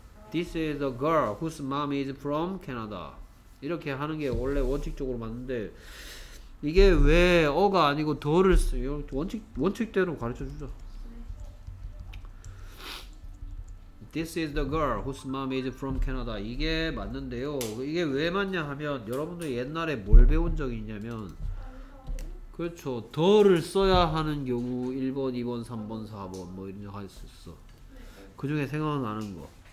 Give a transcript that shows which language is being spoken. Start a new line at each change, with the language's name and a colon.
English: This is the girl whose mom is from Canada.
Korean: 이렇게 하는 게 원래 원칙적으로 맞는데 이게 왜 어가 아니고 더를 쓰요? 원칙대로 가르쳐 주죠.
English: This is the girl whose mom is from Canada.
Korean: 이게 맞는데요. 이게 왜 맞냐 하면 여러분들 옛날에 뭘 배운 적이 있냐면 그렇죠. 더를 써야 하는 경우 1번, 2번, 3번, 4번 뭐 이런 거 할 수 있어. 그 중에 생각나는 거.